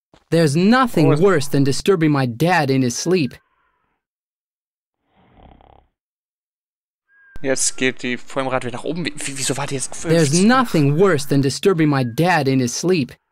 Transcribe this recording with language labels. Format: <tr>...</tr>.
<en>There's nothing worse than disturbing my dad in his sleep.</en> <de>Jetzt geht die Framerate wieder nach oben. Wieso war die jetzt gefüllt?</de> <en>There's nothing worse than disturbing my dad in his sleep.</en>